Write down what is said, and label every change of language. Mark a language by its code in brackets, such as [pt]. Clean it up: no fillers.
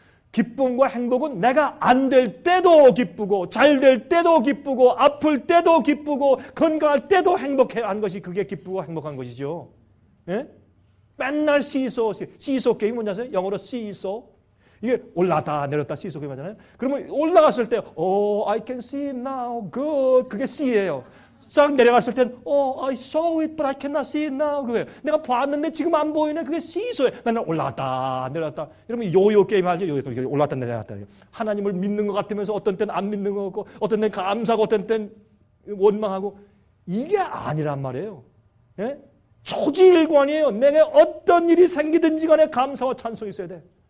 [ko] 기쁨과 행복은 내가 안 될 때도 기쁘고 잘 될 때도 기쁘고 아플 때도 기쁘고 건강할 때도 행복한 것이 그게 기쁘고 행복한 것이죠. 예? 맨날 시소 게임 뭔지 아세요? 영어로 시소. 이게 올라다 내렸다 시소 게임 하잖아요. 그러면 올라갔을 때 [en] Oh, I can see now. Good. [ko] 그게 시예요. 쫙 내려갔을 때 [en] Oh, I saw it, but I cannot see it now. [ko] 그게 내가 봤는데 지금 안 보이네. 그게 시소예요. 맨날 올라다 내렸다. 이러면 요요 게임 하죠. 요요 게임. 올라다 내려갔다. 하나님을 믿는 것 같으면서 어떤 때는 안 믿는 것 같고 어떤 때는 감사하고 어떤 때는 원망하고 이게 아니란 말이에요. 예? 초지일관이에요. 내게 어떤 일이 생기든지 간에 감사와 찬송이 있어야 돼.